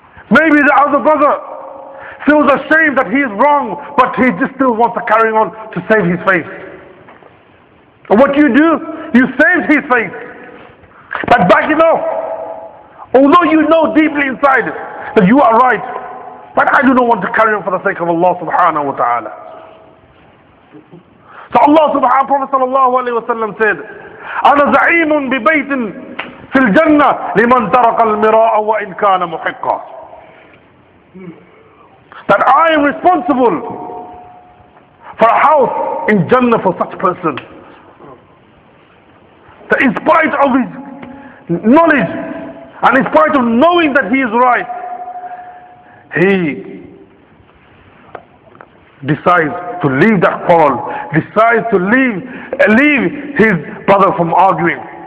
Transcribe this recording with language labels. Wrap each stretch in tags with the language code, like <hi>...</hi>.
<en>Maybe the other brother feels ashamed that he is wrong, but he just still wants to carry on to save his face. And what you do? You save his face. But back it off. Although you know deeply inside that you are right, but I do not want to carry on for the sake of Allah subhanahu wa ta'ala. So Allah subhanahu wa Prophet sallallahu alayhi wa sallam said,</en> <ar>أنا زعيم ببيت في الجنة لمن ترك المراء وإن كان محقا.</ar> <en>That I am responsible for a house in Jannah for such a person. That in spite of his knowledge and in spite of knowing that he is right, he decides to leave that quarrel, decides to leave his brother from arguing.</en>